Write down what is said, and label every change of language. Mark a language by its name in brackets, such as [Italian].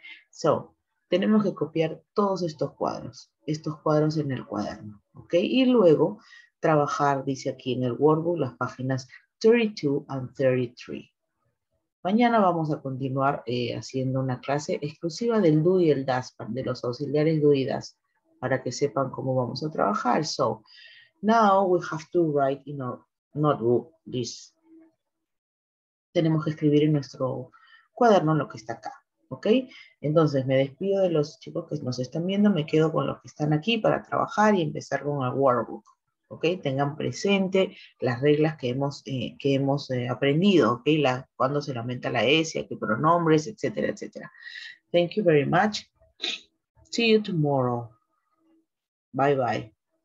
[Spanish] So, tenemos que copiar todos estos cuadros en el cuaderno, ¿ok? Y luego trabajar, dice aquí en el workbook, las páginas 32 and 33. Mañana vamos a continuar haciendo una clase exclusiva del do y el das, de los auxiliares do y das, para que sepan cómo vamos a trabajar. [English] So, now we have to write in our notebook this. [Spanish] Tenemos que escribir en nuestro cuaderno lo que está acá, ¿ok? Entonces, me despido de los chicos que nos están viendo, me quedo con los que están aquí para trabajar y empezar con el workbook, ¿ok? Tengan presente las reglas que hemos aprendido, ¿ok? Cuando se lamenta la S, qué pronombres, etcétera, etcétera. [English] Thank you very much. See you tomorrow. Bye bye.